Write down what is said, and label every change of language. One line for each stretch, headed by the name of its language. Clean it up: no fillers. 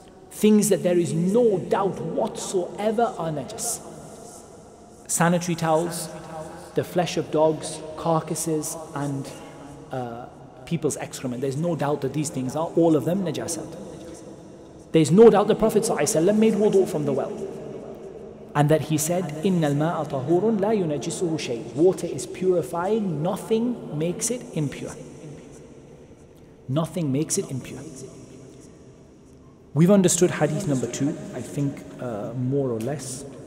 English: Things that there is no doubt whatsoever are najas. Sanitary towels, the flesh of dogs, carcasses, and people's excrement. There's no doubt that these things are, all of them, najasat. There's no doubt the Prophet ﷺ made wudu from the well. And that he said,
Arabic: إِنَّ الْمَاءَ طَهُورٌ لَا يُنَجِسُهُ شَيْءٌ.
English: Water is purifying, nothing makes it impure. Nothing makes it impure. We've understood hadith number 2, I think, more or less.